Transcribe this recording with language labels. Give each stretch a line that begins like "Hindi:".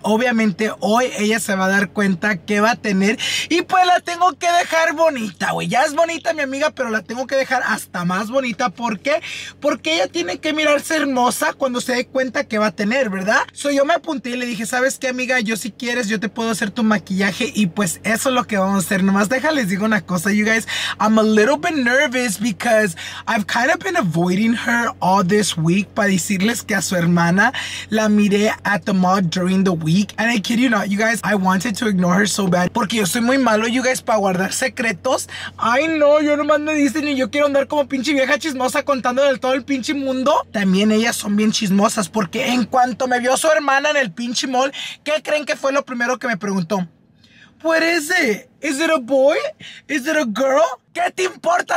Spanish: Obviamente, hoy ella se va a dar cuenta qué va a tener y pues la tengo que dejar bonita, güey. Ya es bonita mi amiga, pero la tengo que dejar hasta más bonita. ¿Por qué? Porque ella tiene que mirarse hermosa cuando se dé cuenta que va a tener, ¿verdad? So, yo me apunté y le dije, ¿sabes qué, amiga? Yo, si quieres, yo te puedo hacer tu maquillaje. Y pues eso es lo que vamos a hacer. Nomás déjales, digo una cosa,
English: you guys. I'm a little bit nervous because I've kind of been avoiding her all this week.
Spanish: Para decirles que a su hermana la miré
English: at the mall during the week. And I kid you not, you guys, I wanted to ignore her so bad.
Spanish: Porque yo soy muy malo,
English: you guys,
Spanish: para guardar secretos. Ay, no, yo nomás me dicen y yo quiero andar como pinche vieja chismosa contándole todo el pinche mundo. También ellas son bien chismosas porque en cuanto me vio su hermana en el pinche mall, ¿qué creen que fue lo primero que me preguntó?
English: What is it? Is it a boy? Is it a girl?
Spanish: ¿Qué te importa?